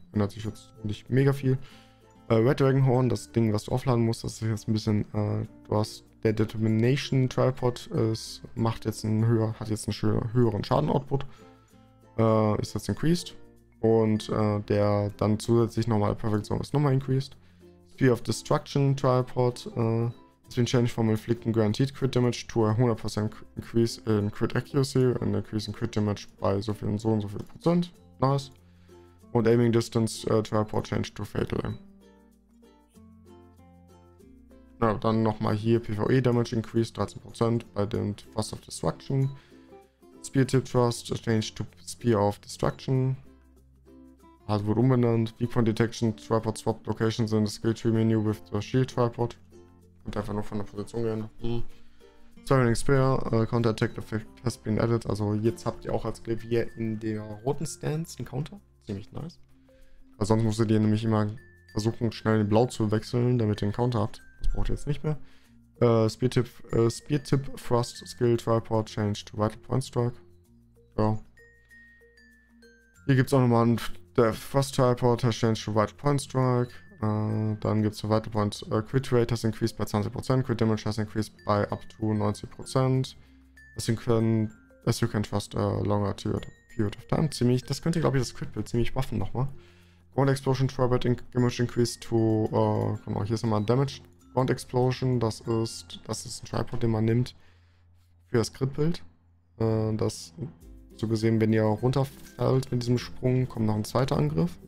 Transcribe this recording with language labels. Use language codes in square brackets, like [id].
[de] Ändert sich jetzt nicht mega viel. Red Dragon Horn, das Ding, was du aufladen musst, das ist jetzt ein bisschen, du hast der Determination Tripod, es macht jetzt einen höher, hat jetzt einen höheren Schaden-Output, ist jetzt increased. Und der dann zusätzlich nochmal Perfect Zone ist nochmal increased. [en] Spear of Destruction Tripod, has been changed from inflicting guaranteed crit damage to a 100% increase in crit accuracy and increase in crit damage by [de] so viel und so viel Prozent. [en] Nice. Und Aiming Distance Tripod changed to Fatal Aim. [de] Ja, dann nochmal hier PvE Damage Increase 13% bei dem Fast of Destruction. [en] Spear Tip Thrust changed to Spear of Destruction. [de] Also wurde umbenannt. [en] Viewpoint Detection Tripod Swap Locations in the Skill Tree Menu with the Shield Tripod. [de] Und einfach nur von der Position gehen. [en] Surrounding Spear Counter Attack Effect has been added. [de] Also jetzt habt ihr auch als Glavier in der roten Stance einen Counter. Ziemlich nice. Weil sonst musstet ihr nämlich immer versuchen, schnell in Blau zu wechseln, damit ihr einen Counter habt. Das braucht ihr jetzt nicht mehr. [en] Spear Tip Thrust Skill Tripod Change to Vital Point Strike. Ja. [de] Hier gibt es auch nochmal einen [en] Thrust Tripod has changed to Vital Point Strike. [de] Dann gibt es [en] Vital Point Crit Rate has increased by 20%. Crit Damage has increased by up to 90%. As you can trust a longer period of time. [de] Ziemlich, das könnte, glaube ich, das Crit Build ziemlich buffen nochmal. [en] Ground Explosion Tripod Damage increased to. [de] Guck mal, hier ist nochmal ein Damage. Ground Explosion, das ist ein Tripod, den man nimmt für das Crit Build. Das. So gesehen, wenn ihr runterfällt mit diesem Sprung, kommt noch ein zweiter Angriff.